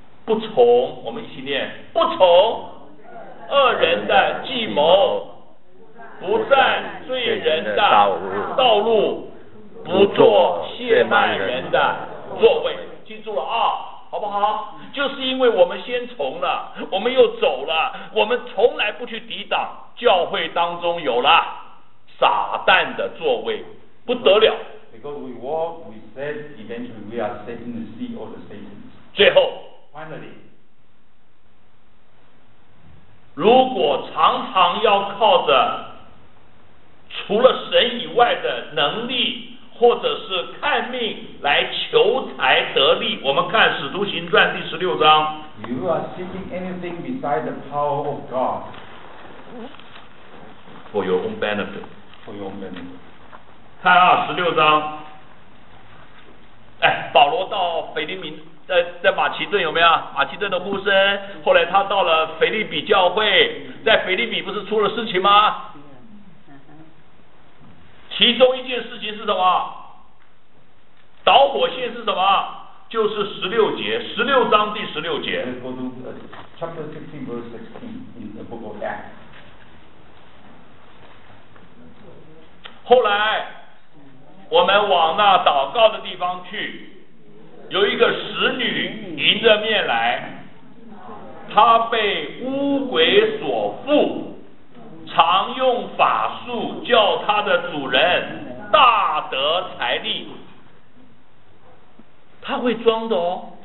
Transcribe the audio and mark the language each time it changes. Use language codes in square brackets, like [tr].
[zh] 不从，我们一起念，不从恶人的计谋，不占罪人的道路，不做亵慢人的座位。记住了啊，好不好？就是因为我们先从了，我们又走了，我们从来不去抵挡，教会当中有了撒旦的座位，不得了。 [en] Because we walk, we said eventually we are setting the seat of the Satan. [zh] 最后 [en] ，finally， [zh] 如果常常要靠着除了神以外的能力，或者是看命来求财得利，我们看《使徒行传》第十六章。 [en] You are seeking anything beside the power of God for your own benefit. For your own benefit. [zh] 看啊，十六章。哎，保罗到腓立民，在马其顿有没有？马其顿的呼声。后来他到了腓立比教会，在腓立比不是出了事情吗？其中一件事情是什么？导火线是什么？就是十六节，十六章第十六节。 [en] Chapter 16, verse 16 in the book of Acts. [zh] 后来，我们往那祷告的地方去，有一个使女迎着面来，她被巫鬼所缚。常用法术叫他的主人大得财力，他会装的哦。